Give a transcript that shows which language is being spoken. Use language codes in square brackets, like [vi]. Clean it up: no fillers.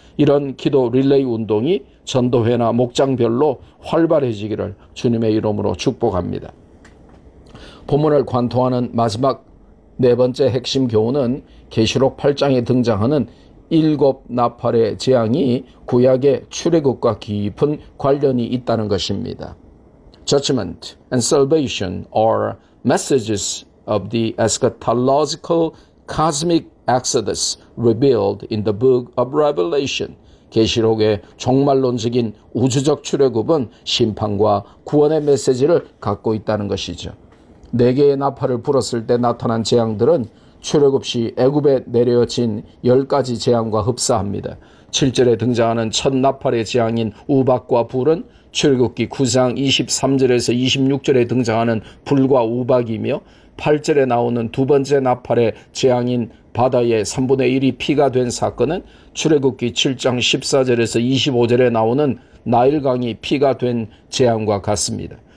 [ko] 이런 기도 릴레이 운동이 전도회나 목장별로 활발해지기를 주님의 이름으로 축복합니다. 본문을 관통하는 마지막 네 번째 핵심 교훈은 계시록 8장에 등장하는 일곱 나팔의 재앙이 구약의 출애굽과 깊은 관련이 있다는 것입니다. [en] Judgment and salvation are messages of the eschatological cosmic exodus revealed in the book of Revelation. [ko] 계시록의 종말론적인 우주적 출애굽은 심판과 구원의 메시지를 갖고 있다는 것이죠. 네 개의 나팔을 불었을 때 나타난 재앙들은 출애굽 시 애굽에 내려진 열 가지 재앙과 흡사합니다. 7절에 등장하는 첫 나팔의 재앙인 우박과 불은 출애굽기 9장 23절에서 26절에 등장하는 불과 우박이며 8절에 나오는 두 번째 나팔의 재앙인 바다의 3분의 1이 피가 된 사건은 출애굽기 7장 14절에서 25절에 나오는 나일강이 피가 된 재앙과 같습니다.